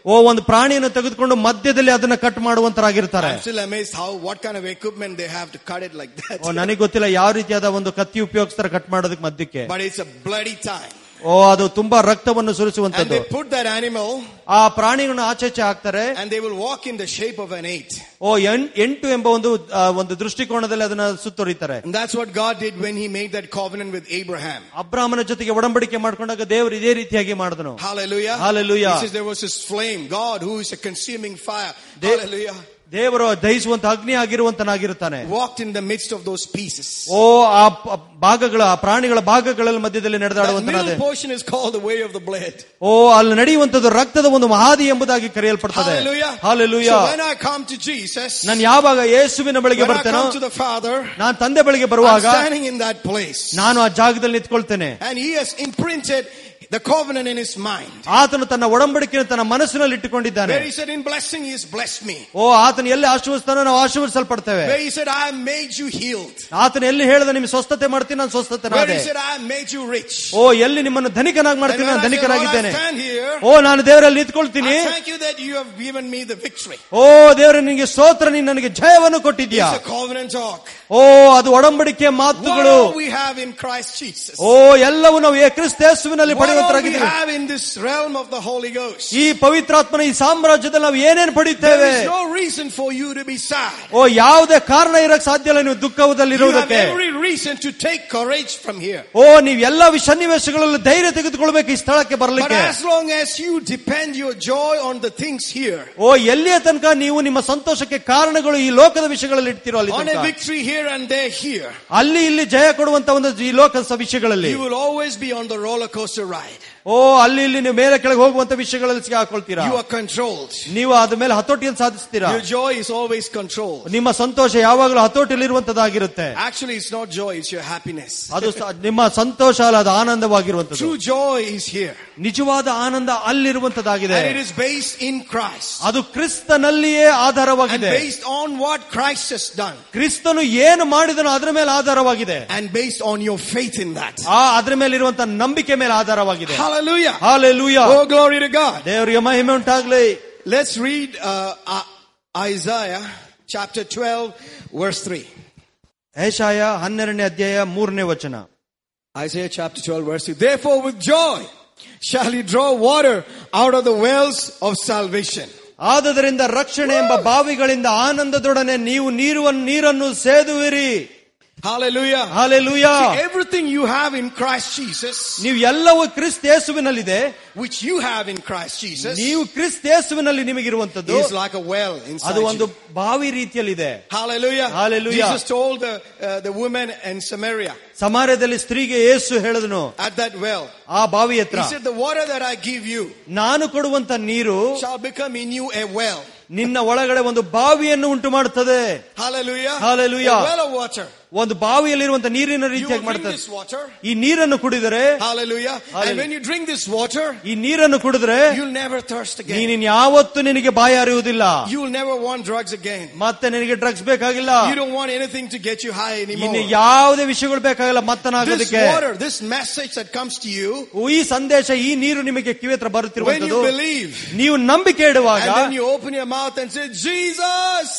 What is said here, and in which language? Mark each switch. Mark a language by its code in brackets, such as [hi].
[kn] ಓ ಒಂದು ಪ್ರಾಣಿಯನ್ನು ತೆಗೆದುಕೊಂಡು ಮಧ್ಯದಲ್ಲಿ ಅದನ್ನು cut ಮಾಡುವಂತರಾಗಿರುತ್ತಾರೆ. [en] I'm still amazed how what kind of equipment they have to cut it like that. [kn] ಓ ನನಗೆ ಗೊತ್ತಿಲ್ಲ ಯಾವ ರೀತಿಯಾದ ಒಂದು ಕತ್ತಿ ಉಪಯೋಗಿಸ್ತಾರೆ ಕಟ್ ಮಾಡೋದಕ್ಕೆ ಮಧ್ಯಕ್ಕೆ. [en] But it's a bloody time. [kn] ಓ ಅದು ತುಂಬಾ ರಕ್ತವನ್ನು ಸುರಿಸುವಂತದ್ದು. [en] And they put that animal, [kn] ಆ ಪ್ರಾಣಿಗಳನ್ನು ಆಚೆಚ್ಚೆ ಹಾಕ್ತಾರೆ. [en] And they will walk in the shape of an eight. [kn] ಓ ಎಂಟು ಎಂಬ ಒಂದು ದೃಷ್ಟಿಕೋನದಲ್ಲಿ ಅದನ್ನ ಸುತ್ತೊರಿತಾರೆ. [en] And that's what God did when he made that covenant with Abraham. [kn] ಅಬ್ರಹಾಮನ ಜೊತೆಗೆ ಒಡಂಬಡಿಕೆ ಮಾಡಿಕೊಂಡಾಗ ದೇವರು ಇದೇ ರೀತಿಯಾಗಿ ಮಾಡಿದನು. [en] Hallelujah. Hallelujah. He says there was this flame, God who is a consuming fire. Hallelujah. [kn] ದೇವರು ದಹಿಸುವಂತ ಅಗ್ನಿ ಆಗಿರುವಂತನಾಗಿರುತ್ತಾನೆ. [en] Walked in the midst of those pieces. [kn] ಓ ಆ ಭಾಗಗಳ ಆ ಪ್ರಾಣಿಗಳ ಭಾಗಗಳಲ್ಲಿ ಮಧ್ಯದಲ್ಲಿ ನಡೆದಾಡುವಂತನಾದನು. [en] The portion is called the way of the blood. [kn] ಓ ಅಲ್ಲಿ ನಡೆಯುವಂತದ್ದು ರಕ್ತದ ಒಂದು ಮಹಾದಿ ಎಂಬುದಾಗಿ ಕರೆಯಲ್ಪಡುತ್ತದೆ. [en] Hallelujah. So when I come to Jesus, [kn] ನಾನು ಯಾವಾಗ ಯೇಸುವಿನ ಬಳಿಗೆ ಬರ್ತೇನೋ, [en] when I come to the Father, [kn] ನಾನು ತಂದೆ ಬಳಿಗೆ ಬರುವಾಗ, [en] I'm standing in that place. [kn] ನಾನು ಆ ಜಾಗದಲ್ಲಿ ನಿಂತುಕೊಳ್ತೇನೆ. [en] And he has imprinted the covenant in his mind. [kn] ಆತನು ತನ್ನ ಒಡಂಬಡಿಕೆಯನ್ನು ತನ್ನ ಮನಸ್ಸಿನಲ್ಲಿ ಇಟ್ಟುಕೊಂಡಿದ್ದಾನೆ. [en] Where he said in blessing he has blessed me. [kn] ಓ ಆತನು ಎಲ್ಲಿ ಆಶೀರ್ವಿಸ್ತಾನೋ ನಾವು ಆಶೀರ್ವಿಸಲ್ಪಡ್ತೇವೆ. [en] Where he said I have made you healed. [kn] ಆತನು ಎಲ್ಲಿ ಹೇಳಿದ ನಿಮಗೆ ಸ್ವಸ್ಥತೆ ಮಾಡ್ತೀನಿ ನಾನು ಸ್ವಸ್ಥತನಾದೆ. [en] Where he said I have made you rich. [kn] ಓ ಎಲ್ಲಿ ನಿಮ್ಮನ್ನು ಧನಿಕನಾಗಿ ಮಾಡ್ತೀನಿ ನಾನು ಧನಿಕನಾಗಿದ್ದೇನೆ. ಓ ನಾನು ದೇವರಲ್ಲಿ ನಿಂತುಕೊಳ್ತೀನಿ. [en] Thank you that you have given me the victory. [kn] ಓ ದೇವರೇ ನಿಮಗೆ ಸ್ತೋತ್ರ, ನೀನು ನನಗೆ ಜಯವನ್ನು ಕೊಟ್ಟಿದ್ದೀಯಾ. [en] It's a covenant talk. [kn] ಓ ಅದು ಒಡಂಬಡಿಕೆಯ ಮಾತುಗಳು. [en] What we have in Christ Jesus. [kn] ಓ ಎಲ್ಲವನ್ನು ನಾವು ಯೇಸು ಯೇಸುವಿನಲ್ಲಿ ಪಡೆಯುವಂತರಾಗಿದ್ದೇವೆ. [en] We have in this realm of the Holy Ghost. [kn] ಈ ಪವಿತ್ರಾತ್ಮನ ಈ ಸಾಮ್ರಾಜ್ಯದಲ್ಲಿ ನಾವು ಏನೇನು ಪಡೆಯುತ್ತೇವೆ. [en] There is no reason for you to be sad. [kn] ಓ ಯಾವುದೇ ಕಾರಣ ಇರಕ್ಕೆ ಸಾಧ್ಯ ಇಲ್ಲ ನೀವು ದುಃಖದಲ್ಲಿ ಇರುವುದಕ್ಕೆ. [en] You have every reason to take courage from here. [kn] ಓ ನೀವು ಎಲ್ಲ ಸನ್ನಿವೇಶಗಳಲ್ಲಿ ಧೈರ್ಯ ತೆಗೆದುಕೊಳ್ಬೇಕು ಈ ಸ್ಥಳಕ್ಕೆ ಬರಲಿಕ್ಕೆ. [en] But as long as you depend your joy on the things here. [kn] ಓ ಎಲ್ಲಿಯ ತನಕ ನೀವು ನಿಮ್ಮ ಸಂತೋಷಕ್ಕೆ ಕಾರಣಗಳು ಈ ಲೋಕದ ವಿಷಯಗಳಲ್ಲಿ ಇಡ್ತೀರೋ ಅಲ್ಲಿ [en] ತನಕ. On a victory here and there here. [kn] ಅಲ್ಲಿ ಇಲ್ಲಿ ಜಯ ಕೊಡುವಂತ ಒಂದು ಈ ಲೋಕದ ವಿಷಯಗಳಲ್ಲಿ. [en] You will always be on the roller coaster ride. [kn] ಓ ಅಲ್ಲಿ ಇಲ್ಲಿ ನೀವು ಮೇಲೆ ಕೆಳಗೆ ಹೋಗುವಂತ ವಿಷಯಗಳಲ್ಲಿ ಸಿಕ್ಕಾಕೊಳ್ತೀರಾ. [en] You are controlled. [kn] ನೀವು ಅದ ಮೇಲೆ ಹತೋಟಿಯನ್ನು ಸಾಧಿಸ್ತೀರಾ. [en] Your joy is always controlled. [kn] ನಿಮ್ಮ ಸಂತೋಷ ಯಾವಾಗಲೂ ಹತೋಟಿಯಲ್ಲಿ ಇರುವಂತದಾಗಿರುತ್ತೆ. [en] Actually it's not joy, it's your happiness. [kn] ಅದು ನಿಮ್ಮ ಸಂತೋಷ ಅಲ್ಲ, ಅದು ಆನಂದವಾಗಿರುವಂತದ್ದು. [en] True joy is here. [kn] ನಿಜವಾದ ಆನಂದ ಅಲ್ಲಿರುವಂತದಾಗಿದೆ. [en] It is based in Christ. [kn] ಅದು ಕ್ರಿಸ್ತನಲ್ಲಿಯೇ ಆಧಾರವಾಗಿದೆ. [en] And based on what Christ has done. [kn] ಕ್ರಿಸ್ತನು ಏನು ಮಾಡಿದನೋ ಅದರ ಮೇಲೆ ಆಧಾರವಾಗಿದೆ. [en] And based on your faith in that. [kn] ಆ ಅದರ ಮೇಲೆ ಇರುವಂತ ನಂಬಿಕೆ ಮೇಲೆ ಆಧಾರವಾಗಿದೆ. [en] Hallelujah. Hallelujah. Oh glory to God. [kn] ದೇವರಿಗೆ ಮಹಿಮೆ ಉಂಟಾಗಲಿ. [en] Let's read Isaiah chapter 12 verse 3. [kn] ಯೆಶಾಯ 12ನೇ ಅಧ್ಯಾಯ 3ನೇ ವಚನ. [en] Isaiah chapter 12 verse 3. Therefore with joy shall he draw water out of the wells of salvation. [kn] ಆದುದರಿಂದ ರಕ್ಷಣೆ ಎಂಬ ಬಾವಿಗಳಿಂದ ಆನಂದದೊಡನೆ ನೀವು ನೀರನ್ನು ಸೇದುವಿರಿ. [en] Hallelujah. Hallelujah. See, everything you have in Christ Jesus. [kn] ನೀವು ಎಲ್ಲವೂ ಕ್ರಿಸ್ತ ಯೇಸುವಿನಲ್ಲಿದೆ. [en] Which you have in Christ Jesus. [kn] ನೀವು ಕ್ರಿಸ್ತ ಯೇಸುವಿನಲ್ಲಿ ನಿಮಗಿರುವಂತದ್ದು. [en] It's like a well inside. [kn] ಅದು ಒಂದು ಬಾವಿ ರೀತಿಯಲ್ಲಿದೆ. [en] Hallelujah. Hallelujah. Jesus told the woman in Samaria. [kn] ಸಮಾರ್ಯದಲ್ಲಿ ಸ್ತ್ರೀಗೆ ಯೇಸು ಹೇಳಿದನು. [en] At that well. [kn] ಆ ಬಾವಿ ಹತ್ರ. [en] He said the water that I give you. [kn] ನಾನು ಕೊಡುವಂತ ನೀರು. [en] Shall become in you a well. [kn] ನಿನ್ನ ಒಳಗಡೆ ಒಂದು ಬಾವಿಯನ್ನು ಉಂಟು ಮಾಡುತ್ತದೆ. [en] Hallelujah. Hallelujah. A well of water. [kn] ಒಂದು ಬಾವಿಯಲ್ಲಿರುವಂತ ನೀರಿನ ರೀತಿಯಾಗಿ ಮಾಡುತ್ತದೆ. ಈ ನೀರನ್ನು ಕುಡಿದರೆ. [en] Hallelujah. And when you drink this water. [kn] ಈ ನೀರನ್ನು ಕುಡಿದರೆ. [en] You'll never thirst again. [kn] ನೀನು ಯಾವತ್ತೂ ನಿನಗೆ ಬಾಯಿ ಅರಿಯುವುದಿಲ್ಲ. [en] You'll never want drugs again. [kn] ಮತ್ತೆ ನಿನಗೆ ಡ್ರಗ್ಸ್ ಬೇಕಾಗಿಲ್ಲ. [en] You don't want anything to get you high anymore. [kn] ನಿನಗೆ ಯಾವುದೇ ವಿಷಯಗಳು ಬೇಕಾಗಿಲ್ಲ ಮತ್ತನಾಗೋದಕ್ಕೆ. [en] This water, this message that comes to you. [kn] ಈ ಸಂದೇಶ, ಈ ನೀರು ನಿಮಗೆ ಕಿವಿಯತ್ರ ಬರುತ್ತಿರುವಂತದ್ದು. [en] When you believe. [kn] ನೀವು ನಂಬಿಕೆ ಇಡುವಾಗ. [en] And then you open your mouth and say Jesus.